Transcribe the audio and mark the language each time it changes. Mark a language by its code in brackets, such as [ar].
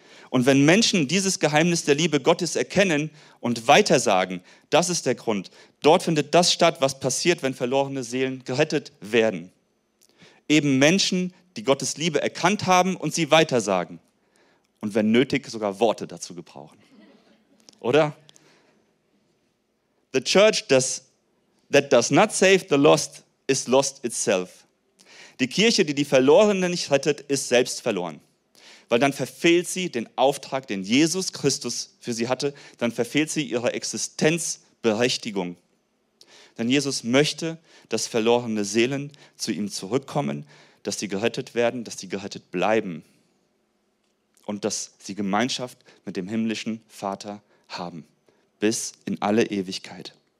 [de] Und wenn Menschen dieses Geheimnis der Liebe Gottes erkennen und weitersagen, das ist der Grund. Dort findet das statt, was passiert, wenn verlorene Seelen gerettet werden. Eben Menschen, die Gottes Liebe erkannt haben und sie weitersagen. Und wenn nötig, sogar Worte dazu gebrauchen. Oder? [en] The church that does not save the lost is lost itself. [de] Die Kirche, die die Verlorenen nicht rettet, ist selbst verloren. Weil dann verfehlt sie den Auftrag, den Jesus Christus für sie hatte. Dann verfehlt sie ihre Existenzberechtigung. Denn Jesus möchte, dass verlorene Seelen zu ihm zurückkommen, dass sie gerettet werden, dass sie gerettet bleiben und dass sie Gemeinschaft mit dem himmlischen Vater haben, bis in alle Ewigkeit.